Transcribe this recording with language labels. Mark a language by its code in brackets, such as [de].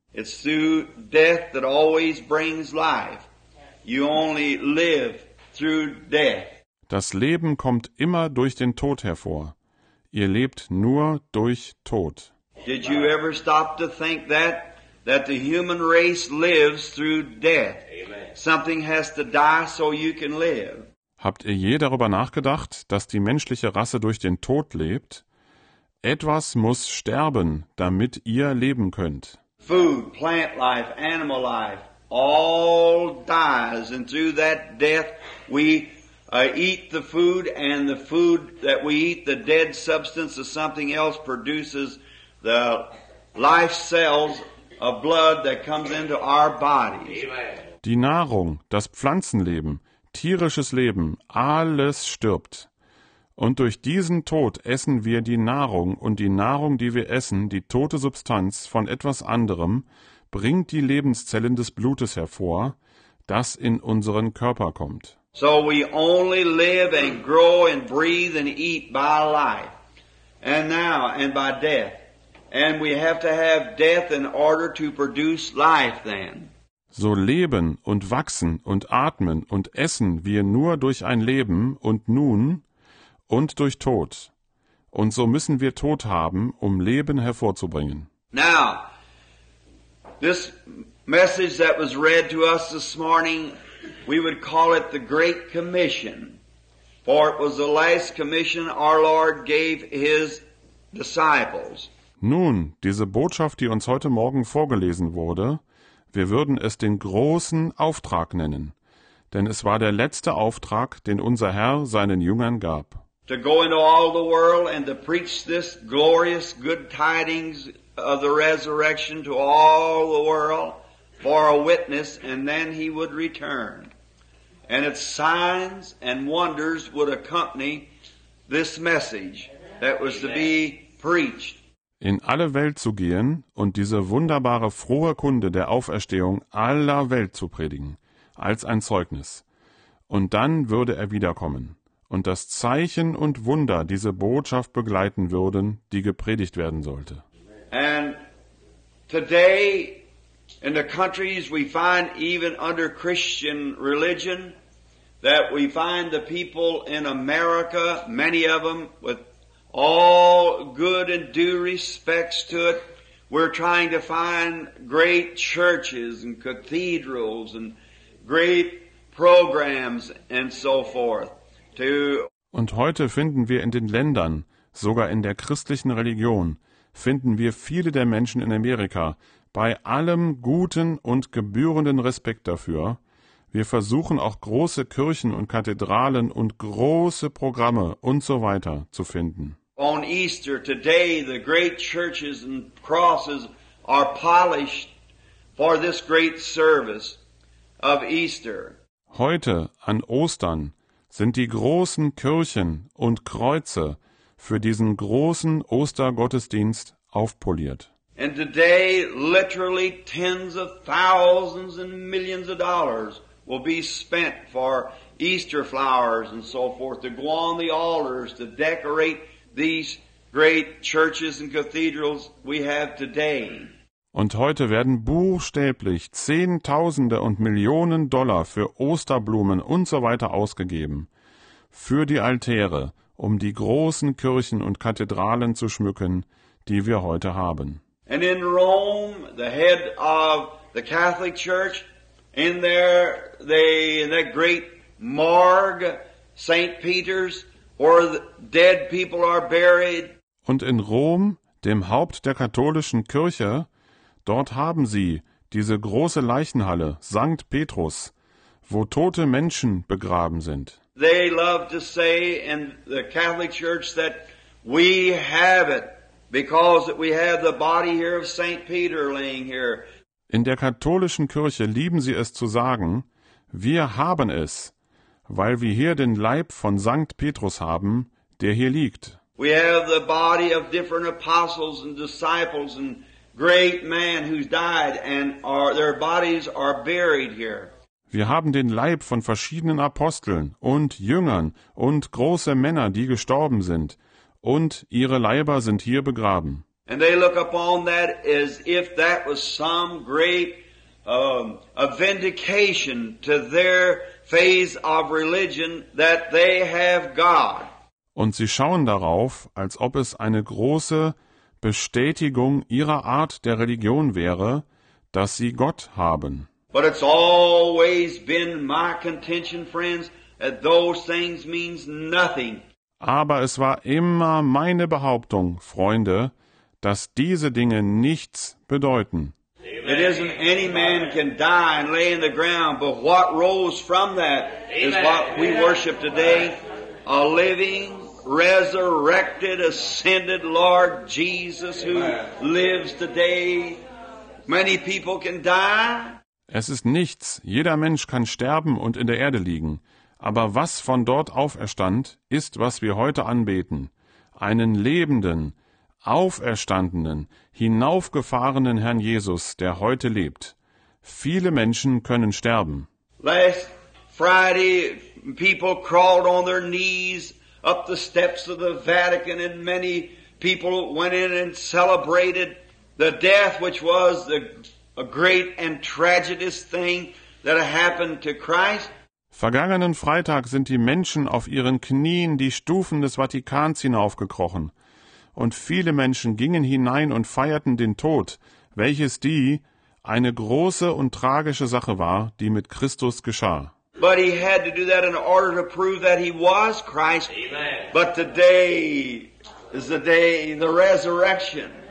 [en] It's through death that always brings life. You only live through death. [de] Das Leben kommt immer durch den Tod hervor. Ihr lebt nur durch Tod. [en] Did you ever stop to think that the human race lives through death? Amen. Something has to die so you can live. [de] Habt ihr je darüber nachgedacht, dass die menschliche Rasse durch den Tod lebt? Etwas muss sterben, damit ihr leben könnt. [en] Food, plant life, animal life, all dies, and through that death we eat the food, and the food that we eat, the dead substance of something else, produces the life cells of blood that comes into our bodies. Amen. [de] Die Nahrung, das Pflanzenleben, tierisches Leben, alles stirbt. Und durch diesen Tod essen wir die Nahrung, und die Nahrung, die wir essen, die tote Substanz von etwas anderem, bringt die Lebenszellen des Blutes hervor, das in unseren Körper kommt. [en] So we only live and grow and breathe and eat by life, and now and by death. And we have to have death in order to produce life then. [de] So leben und wachsen und atmen und essen wir nur durch ein Leben und nun. Und durch Tod. Und so müssen wir Tod haben, um Leben hervorzubringen. [en] Now, this message that was read to us this morning, we would call it the Great Commission. For it was the last commission our Lord gave his disciples. [de] Nun, diese Botschaft, die uns heute Morgen vorgelesen wurde, wir würden es den großen Auftrag nennen. Denn es war der letzte Auftrag, den unser Herr seinen Jüngern gab. [en] To go into all the world and to preach this glorious good tidings of the resurrection to all the world for a witness, and then he would return. And its signs and wonders would accompany this message that was to be preached. [de] In alle Welt zu gehen und diese wunderbare frohe Kunde der Auferstehung aller Welt zu predigen, als ein Zeugnis. Und dann würde er wiederkommen. Und das Zeichen und Wunder diese Botschaft begleiten würden, die gepredigt werden sollte. [en] And today in the countries we find even under Christian religion that we find the people in America, many of them with all good and due respects to it, we're trying to find great churches and cathedrals and great programs and so forth. [de] Und heute finden wir in den Ländern, sogar in der christlichen Religion, finden wir viele der Menschen in Amerika bei allem guten und gebührenden Respekt dafür. Wir versuchen auch große Kirchen und Kathedralen und große Programme und so weiter zu finden. [en] On Easter today, the great churches and crosses are polished for this great service of Easter. [de] Heute an Ostern sind die großen Kirchen und Kreuze für diesen großen Ostergottesdienst aufpoliert. [en] And today literally tens of thousands and millions of dollars will be spent for Easter flowers and so forth to go on the altars to decorate these great churches and cathedrals we have today. [de] Und heute werden buchstäblich Zehntausende und Millionen Dollar für Osterblumen und so weiter ausgegeben, für die Altäre, um die großen Kirchen und Kathedralen zu schmücken, die wir heute haben. [en] And in Rome, the head of the Catholic Church, in there, in that great morgue, St. Peter's, where the dead people are buried. [de] Und in Rom, dem Haupt der katholischen Kirche, dort haben sie diese große Leichenhalle, St. Petrus, wo tote Menschen begraben sind. [en] They love to say in the Catholic Church that we have it because we have the body here of St. Peter laying here. [de] In der katholischen Kirche lieben sie es zu sagen, wir haben es, weil wir hier den Leib von St. Petrus haben, der hier liegt. [en] We have the body of different apostles and disciples and great man who's died and their bodies are buried here. [de] Wir haben den Leib von verschiedenen Aposteln und Jüngern und große Männer, die gestorben sind, und ihre Leiber sind hier begraben. [en] And they look upon that as if that was some great a vindication to their phase of religion that they have God. [de] Und sie schauen darauf, als ob es eine große Bestätigung ihrer Art der Religion wäre, dass sie Gott haben. [en] But it's always been my contention, friends, that those things means nothing. [de] Aber es war immer meine Behauptung, Freunde, dass diese Dinge nichts bedeuten. [en] Amen. It isn't any man can die and lay in the ground, but what rose from that Amen. Is what we worship today, a living, resurrected, ascended Lord Jesus who lives today. Many people can die. [de] Es ist nichts. Jeder Mensch kann sterben und in der Erde liegen. Aber was von dort auferstand, ist, was wir heute anbeten. Einen lebenden, auferstandenen, hinaufgefahrenen Herrn Jesus, der heute lebt. Viele Menschen können sterben. [en] Last Friday, people crawled on their knees up the steps of the Vatican and many people went in and celebrated the death which was a great and tragic thing that happened to Christ. [de] Vergangenen Freitag sind die Menschen auf ihren Knien die Stufen des Vatikans hinaufgekrochen und viele Menschen gingen hinein und feierten den Tod, welches die eine große und tragische Sache war, die mit Christus geschah. [en] But he had to do that in order to prove that he was Christ. Amen. But today is the day, the resurrection.